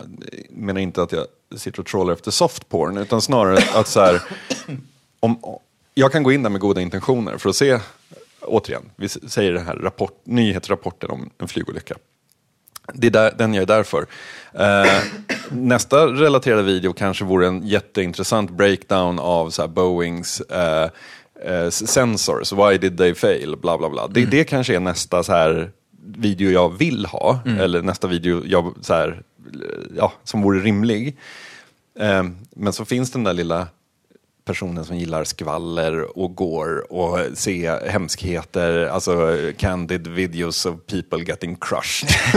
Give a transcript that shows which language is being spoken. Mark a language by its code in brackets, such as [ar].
[sv] Jag menar inte att jag sitter och trollar efter soft porn, utan snarare att så här, om jag kan gå in där med goda intentioner för att se, återigen, vi säger den här nyhetsrapporten om en flygolycka. Det är där, den jag är där för. Nästa relaterade video kanske vore en jätteintressant breakdown av så här Boeings... [en] sensors, why did they fail, bla bla bla. [sv] Det kanske är nästa så här video jag vill ha, eller nästa video jag så här, ja, som vore rimlig. Men så finns den där lilla personen som gillar skvaller och går och se hemskheter, alltså [en] candid videos of people getting crushed.